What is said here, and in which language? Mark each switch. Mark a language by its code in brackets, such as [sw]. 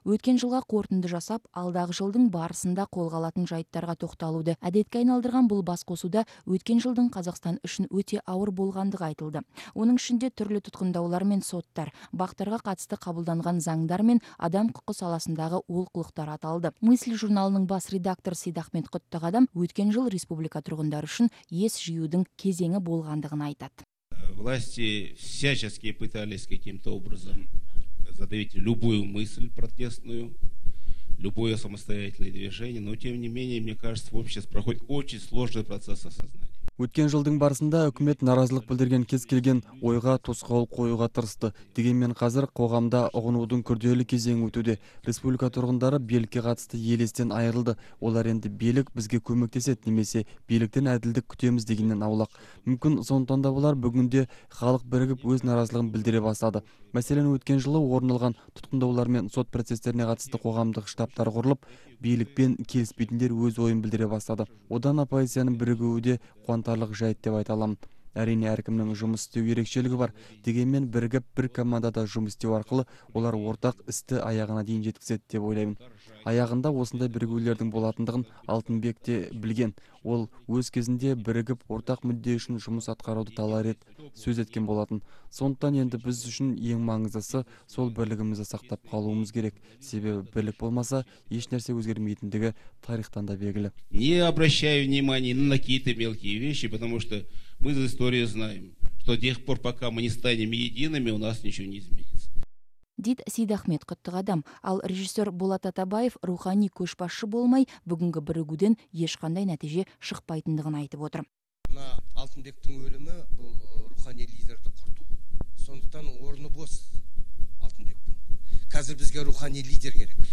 [kk] Өткен жылға қорытынды жасап, алдағы жылдың барысында қолға алатын жайттарға тоқталуды әдетке айналдырған бұл басқосуда өткен жылдың Қазақстан үшін өте ауыр болғандығы айтылды. Оның ішінде түрлі тұтқындаулар мен соттар, бақтарға қатысты қабылданған заңдар мен адам құқы саласындағы олқылықтар аталды. Мысль журналының бас редакторы Сейдахмет Құттығадам өткен жыл республика тұрғындары үшін ес жиюдың кезеңі болғандығын айтады. [ru] Власти всячески пытались каким-то образом задавить любую мысль протестную, любое самостоятельное движение, но тем не менее, мне кажется, в обществе проходит очень сложный процесс осознания. [kk] Өткен жылдың барысында үкімет наразылық білдірген кез келген ойға тосқауыл қоюға тырысты. Дегенмен қазір қоғамда ұғынудың күрделі кезеңі өтуде. Республика тұрғындары билікке қатысты елестен айырылды. Олар енді билік бізге көмектесет немесе биліктен әділдік күтеміз дегеннен аулақ. Мүмкін сондықтан да болар, бүгінде халық бірігіп өз наразылығын білдіре бастады. Мәселен, өткен жылы орын алған тұтқындаулар мен сот процестеріне қатысты қоғамдық штабтар құрылып, билікпен келіспейтіндер өз ойын білдіре бастады. Одан оппозицияның бірігуі де қуантарлық жайт деп айта аламын. Әрине, әркімнің жұмыс істеу ерекшелігі бар. Дегенмен, бірігіп бір командада жұмыс істеу арқылы олар ортақ істі аяғына дейін жеткізеді деп ойлаймын. Аяғында осындай бірігулердің болатындығын Алтынбек те білген. Ол өз кезінде бірігіп ортақ мүдде үшін жұмыс атқаруды талап етті, сөз еткен болатын. Сондықтан енді біз үшін ең маңыздысы сол бірлігімізді сақтап қалуымыз керек. Себебі бірлік болмаса, еш нәрсе өзгермейтіндігі тарихтан да белгілі. [ru] Не обращаю внимания на какие-то мелкие вещи, потому что мы за историю знаем, что до тех пор, пока мы не станем едиными, у нас ничего не изменится. [kk] Дид Сейдахмет Құттығадам, ал режиссер Болат Атабаев рухани көшбасшы болмай, бүгінгі бірігуден ешқандай нәтиже шықпайтындығын айтып отыр. Мына Алтынбектің өлімі бұл рухани лидерді құрту. Сондықтан орны бос Алтынбектің. Қазір бізге рухани лидер керек.